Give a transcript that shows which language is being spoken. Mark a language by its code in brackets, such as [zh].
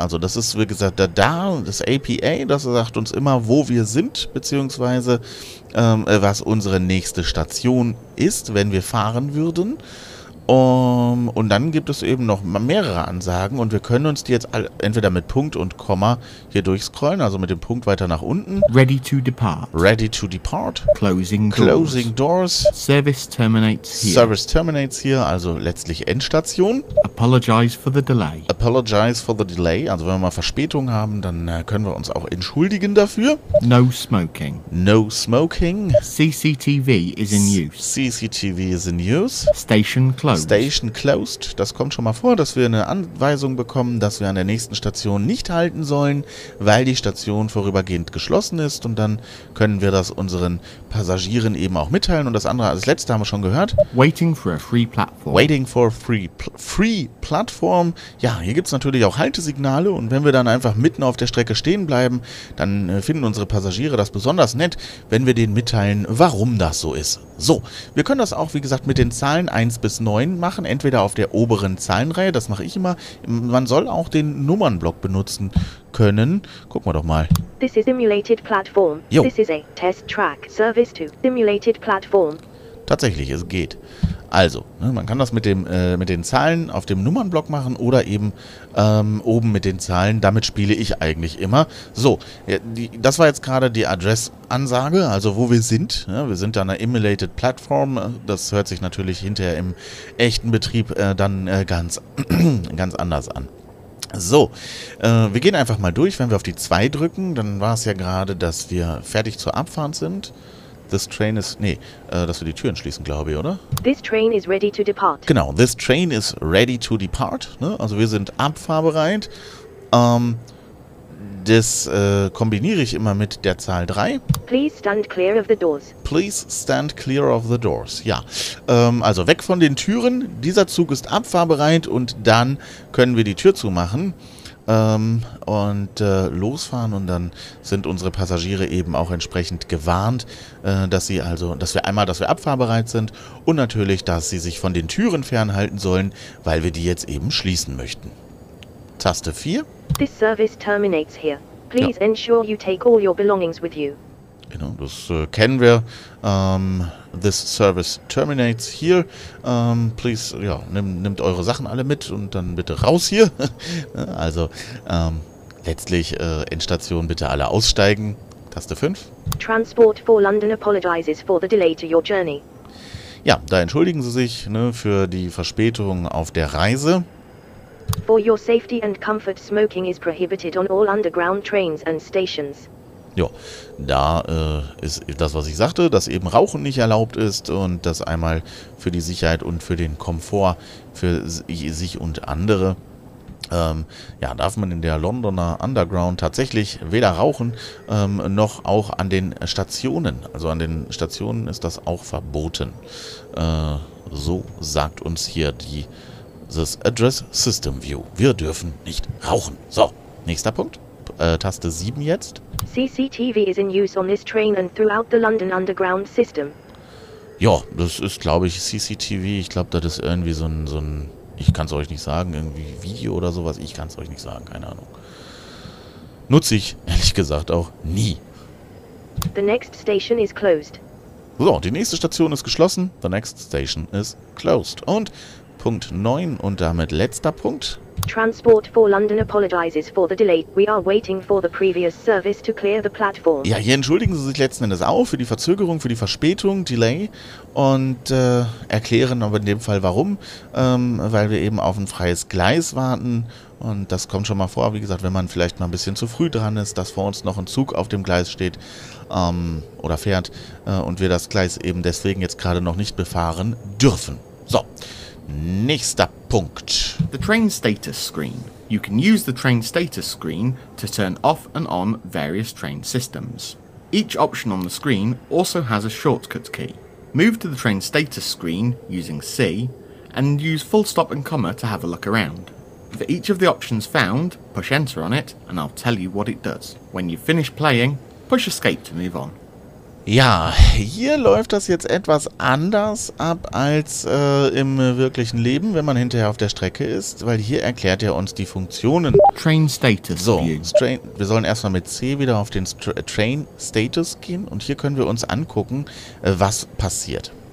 [de] Also das ist, wie gesagt, das APA, das sagt uns immer, wo wir sind, beziehungsweise was unsere nächste Station ist, wenn wir fahren würden. Und dann gibt es eben noch mehrere Ansagen und wir können uns die jetzt entweder mit Punkt und Komma hier durchscrollen, also mit dem Punkt weiter nach unten. [en] Ready to depart. Ready to depart. Closing doors. Service terminates here. Service terminates here, [de] also letztlich Endstation. [en] Apologize for the delay. Apologize for the delay, [de] also wenn wir mal Verspätung haben, dann können wir uns auch entschuldigen dafür. [en] No smoking. No smoking. CCTV is in use. CCTV is in use. Station closed. Station closed, [de] das kommt schon mal vor, dass wir eine Anweisung bekommen, dass wir an der nächsten Station nicht halten sollen, weil die Station vorübergehend geschlossen ist und dann können wir das unseren Passagieren eben auch mitteilen und das andere, das letzte haben wir schon gehört. [en] Waiting for a free platform. Waiting for a free platform. [de] Ja, hier gibt es natürlich auch Haltesignale und wenn wir dann einfach mitten auf der Strecke stehen bleiben, dann finden unsere Passagiere das besonders nett, wenn wir denen mitteilen, warum das so ist. So, wir können das auch, wie gesagt, mit den Zahlen 1 bis 9 machen, entweder auf der oberen Zahlenreihe, das mache ich immer. Man soll auch den Nummernblock benutzen können. Gucken wir doch mal. [en] This is simulated platform. [de] Jo. [en] This is a test track service to simulated platform. [de] Tatsächlich, es geht. Also, ne, man kann das mit den Zahlen auf dem Nummernblock machen oder eben oben mit den Zahlen. Damit spiele ich eigentlich immer. So, ja, das war jetzt gerade die Address-Ansage, also wo wir sind. Ja, wir sind da einer Emulated Platform. Das hört sich natürlich hinterher im echten Betrieb dann ganz, ganz anders an. So, wir gehen einfach mal durch. Wenn wir auf die 2 drücken, dann war es ja gerade, dass wir fertig zur Abfahrt sind. [en] This train is... [de] Nee, dass wir die Türen schließen, glaube ich, oder? [en] This train is ready to depart. Genau, this train is ready to depart. [de] Ne? Also wir sind abfahrbereit. Das kombiniere ich immer mit der Zahl 3. [en] Please stand clear of the doors. Please stand clear of the doors. [de] Ja, also weg von den Türen. Dieser Zug ist abfahrbereit und dann können wir die Tür zumachen und losfahren. Und dann sind unsere Passagiere eben auch entsprechend gewarnt, dass sie also, dass wir abfahrbereit sind und natürlich, dass sie sich von den Türen fernhalten sollen, weil wir die jetzt eben schließen möchten. Taste 4. [en] This service terminates here. Please ensure you take all your belongings with you. [de] Genau, das kennen wir. [en] This service terminates here. [de] Please, ja, nehmt eure Sachen alle mit und dann bitte raus hier. Also, letztlich Endstation bitte alle aussteigen. Taste 5. [en] Transport for London apologizes for the delay to your journey. [de] Ja, da entschuldigen Sie sich, ne, für die Verspätung auf der Reise. [en] For your safety and comfort, smoking is prohibited on all underground trains and stations. [de] Ja, da ist das, was ich sagte, dass eben Rauchen nicht erlaubt ist und das einmal für die Sicherheit und für den Komfort für sich und andere. Ja, darf man in der Londoner Underground tatsächlich weder rauchen, noch auch an den Stationen. Also an den Stationen ist das auch verboten. So sagt uns hier die This Address System View. Wir dürfen nicht rauchen. So, nächster Punkt. Taste 7 jetzt. [en] CCTV is in use on this train and throughout the London Underground System. [de] Ja, das ist, glaube ich, CCTV. Ich glaube, das ist irgendwie so ein ich kann es euch nicht sagen, irgendwie Video oder sowas. Ich kann es euch nicht sagen, keine Ahnung. Nutze ich, ehrlich gesagt, auch nie. [en] The next station is closed. [de] So, die nächste Station ist geschlossen. [en] The next station is closed. [de] Und Punkt 9 und damit letzter Punkt. [en] Transport for London apologizes for the delay. We are waiting for the previous service to clear the platform. [de] Ja, hier entschuldigen Sie sich letzten Endes auch für die Verzögerung, für die Verspätung, Delay, und erklären aber in dem Fall warum. Weil wir eben auf ein freies Gleis warten. Und das kommt schon mal vor, wie gesagt, wenn man vielleicht mal ein bisschen zu früh dran ist, dass vor uns noch ein Zug auf dem Gleis steht oder fährt und wir das Gleis eben deswegen jetzt gerade noch nicht befahren dürfen. So. Nächster Punkt. [en] The train status screen. You can use the train status screen to turn off and on various train systems. Each option on the screen also has a shortcut key. Move to the train status screen using C and use full stop and comma to have a look around. For each of the options found, push enter on it and I'll tell you what it does. When you've finished playing, push escape to move on. [de] Ja, hier läuft das jetzt etwas anders ab als im wirklichen Leben, wenn man hinterher auf der Strecke ist, weil hier erklärt er uns die Funktionen. [en] Train Status. [de] So, wir sollen erstmal mit C wieder auf den Train Status gehen und hier können wir uns angucken, was passiert.